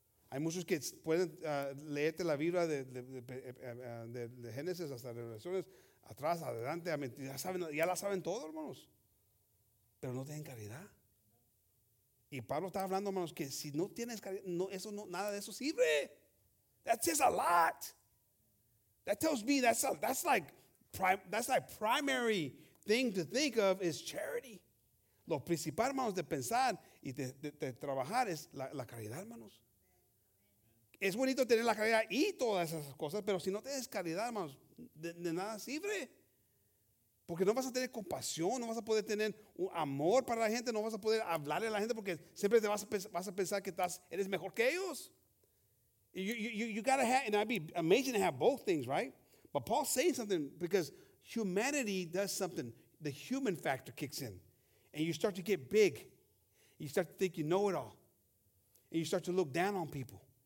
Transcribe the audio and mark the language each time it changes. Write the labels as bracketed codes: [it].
[es] Hay muchos que pueden leerte la Biblia de Génesis hasta Revelaciones, atrás, adelante, ya la saben todo, hermanos. Pero no tienen caridad. Y Pablo está hablando, hermanos, que si no tienes caridad, nada de eso sirve. [en] That says a lot. That tells me that's like primary thing to think of is charity. [es] Lo principal, hermanos, de pensar y de trabajar es la caridad, hermanos. Es bonito tener la caridad y todas esas cosas, pero si no tienes caridad, hermanos, de nada sirve. Porque no vas a tener compasión, no vas a poder tener un amor para la gente, no vas a poder hablarle a la gente porque siempre te vas a pensar que eres mejor que ellos. [en] You gotta have, and I'd be amazing to have both things, right? But Paul's saying something because humanity does something. The human factor kicks in. And you start to get big. You start to think you know it all. And you start to look down on people.